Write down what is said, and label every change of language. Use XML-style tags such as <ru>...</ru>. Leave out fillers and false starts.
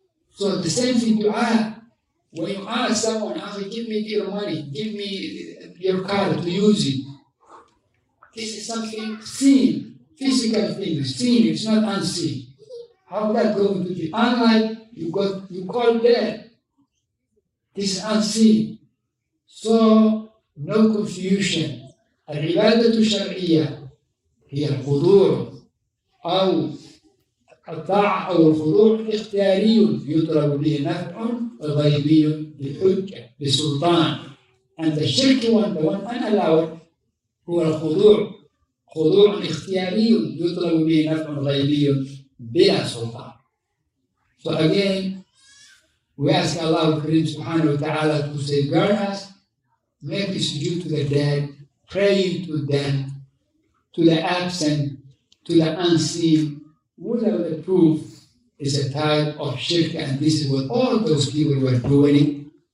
<en>So the same thing you ask, when you ask someone, Akhi, give me your money, give me your car to use it. This is something seen, physical things, seen, it's not unseen. How that going to be? Unlike you call there, this is unseen. So no confusion.</en> <ar>Al-ibadah to shar'iyya, هي الخضور أو الطاعة أو الخضوع اختياري يطلب به نفع غيبي بحجة بسلطان.</ar> <en>And the shirk one, the one unallowed,</en> <ar>هو الخضوع. خضوع اختياري يطلب به نفع غيبي بلا سلطان.</ar> <en>So again, we ask Allah Kareem subhanahu wa ta'ala to safeguard us, make this due to the dead, pray to them, to the absent, to the unseen, whatever the proof is a type of shirk, and this is what all those people were doing.</en>